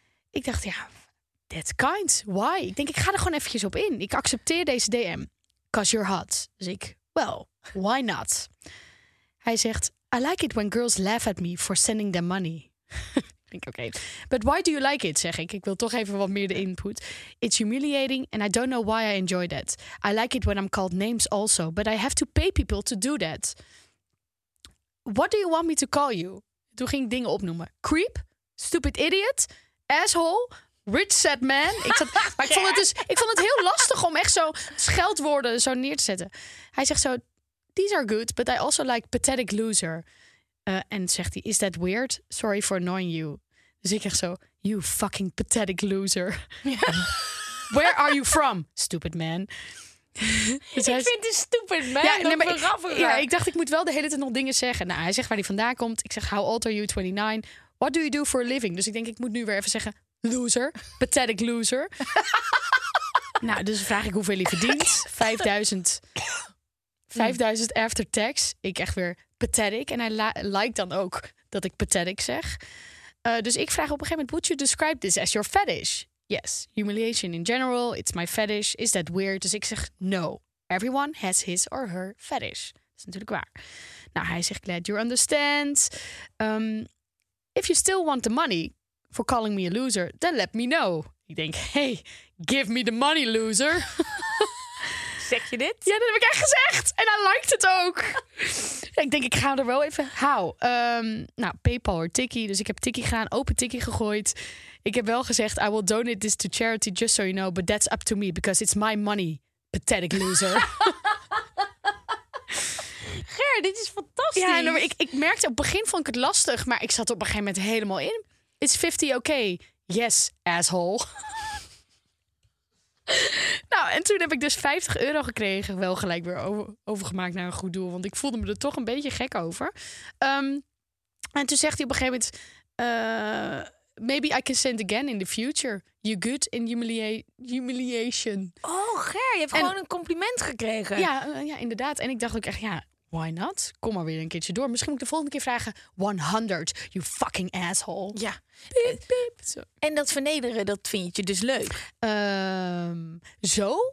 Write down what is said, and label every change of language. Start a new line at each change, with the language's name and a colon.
Dutch: Ik dacht, ja,
English: that's kind. Why?
Dutch: Ik denk, ik ga er gewoon eventjes op in. Ik accepteer deze DM.
English: 'Cause you're hot.
Dutch: Dus ik,
English: well, why not?
Dutch: Hij zegt,
English: I like it when girls laugh at me for sending them money.
Dutch: Ik denk, oké.
English: But why do you like it,
Dutch: zeg ik. Ik wil toch even wat meer de input.
English: It's humiliating and I don't know why I enjoy that. I like it when I'm called names also. But I have to pay people to do that. What do you want me to call you?
Dutch: Toen ging ik dingen opnoemen.
English: Creep? Stupid idiot, asshole, rich sad man.
Dutch: Ik vond het heel lastig om echt zo scheldwoorden zo neer te zetten. Hij zegt zo,
English: these are good, but I also like pathetic loser.
Dutch: En zegt hij,
English: is that weird? Sorry for annoying you.
Dutch: Dus ik zeg zo,
English: you fucking pathetic loser. Yeah. Where are you from, stupid man?
Dutch: Dus ik vind het
English: stupid, man.
Dutch: Ja, nee, maar ik dacht, ik moet wel de hele tijd nog dingen zeggen. Nou, hij zegt waar hij vandaan komt. Ik zeg,
English: how old are you, 29? What do you do for a living?
Dutch: Dus ik denk, ik moet nu weer even zeggen,
English: loser. Pathetic loser.
Dutch: Nou, dus vraag ik hoeveel hij verdient. 5000. 5000
English: after tax.
Dutch: Ik echt weer pathetic. En hij liked dan ook dat ik pathetic zeg. Dus ik vraag op een gegeven moment,
English: would you describe this as your fetish? Yes, humiliation in general. It's my fetish. Is that weird?
Dutch: Dus ik zeg,
English: no. Everyone has his or her fetish.
Dutch: Dat is natuurlijk waar. Nou, hij zegt,
English: glad you understand. If you still want the money for calling me a loser, then let me know.
Dutch: Ik denk, hey,
English: give me the money, loser.
Dutch: Zeg je dit? Ja, dat heb ik echt gezegd. En hij liked het ook. Ik denk, ik ga er wel even...
English: How?
Dutch: Nou, PayPal or Tiki. Dus ik heb Tiki gedaan, open Tiki gegooid. Ik heb wel gezegd,
English: I will donate this to charity, just so you know. But that's up to me, because it's my money, pathetic loser.
Dutch: Ger, dit is fantastisch. Ja, nou, ik merkte, op het begin vond ik het lastig, maar ik zat op een gegeven moment helemaal in.
English: It's 50 okay? Yes, asshole.
Dutch: Nou, en toen heb ik dus €50 gekregen. Wel gelijk weer overgemaakt naar een goed doel, want ik voelde me er toch een beetje gek over. En toen zegt hij op een gegeven moment,
English: maybe I can send again in the future. You good in humiliation.
Dutch: Oh, Ger, je hebt gewoon een compliment gekregen. Ja, ja, inderdaad. En ik dacht ook echt, ja,
English: why not?
Dutch: Kom maar weer een keertje door. Misschien moet ik de volgende keer vragen.
English: 100, you fucking asshole.
Dutch: Ja. Piep, piep. En dat vernederen, dat vind je dus leuk? Zo?